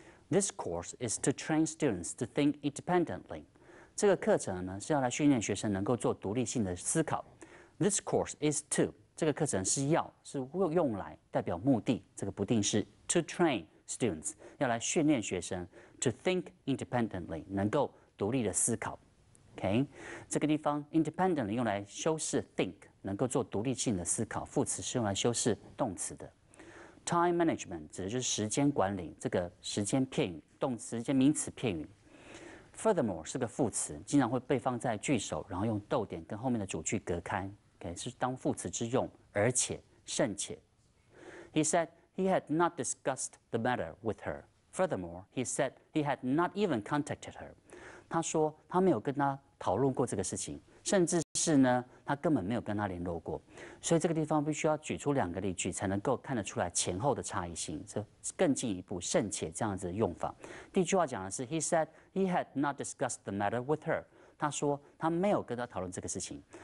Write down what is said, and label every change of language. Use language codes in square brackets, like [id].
[en] This course is to train students to think independently。 [zh] 这个课程呢是要来训练学生能够做独立性的思考。 This course is to，这个课程是要，是用来，代表目的，这个不定式。 To train students，要来训练学生 to think independently，能够独立的思考。 OK， 这个地方 independently 用来修饰 think， 能够做独立性的思考，副词是用来修饰动词的。 Time management 指的就是时间管理，这个时间片语，动词时间名词片语。 Furthermore 是个副词，经常会被放在句首，然后用逗点跟后面的主句隔开， okay， 是当副词之用，而且甚且。 [en] He said he had not discussed the matter with her. Furthermore, he said he had not even contacted her. [zh] 他说他没有跟他讨论过这个事情，甚至是呢，他根本没有跟他联络过。所以这个地方必须要举出两个例句，才能够看得出来前后的差异性，这更进一步甚且这样子的用法。第一句话讲的是 he said he had not discussed the matter with her，他说他没有跟他讨论这个事情。